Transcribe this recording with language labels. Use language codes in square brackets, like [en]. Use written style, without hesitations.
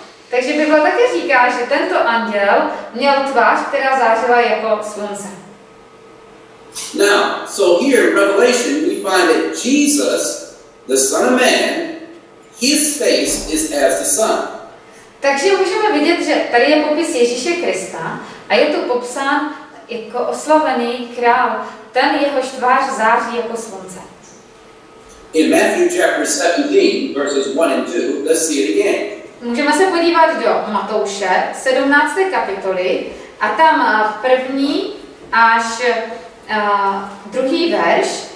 [cs] Takže Bible také říká, že tento anděl měl tvář, která zářila jako slunce. [en] Now, so here in Revelation we find that Jesus, the Son of Man, his face is as the sun. [cs] Takže můžeme vidět, že tady je popis Ježíše Krista a je tu popsán jako oslavený král, ten jehož tvář září jako slunce. [en] In Matthew chapter 17, verses 1 and 2, let's see it again. [cs] Můžeme se podívat do Matouše 17. kapitoly a tam v první až druhý verš.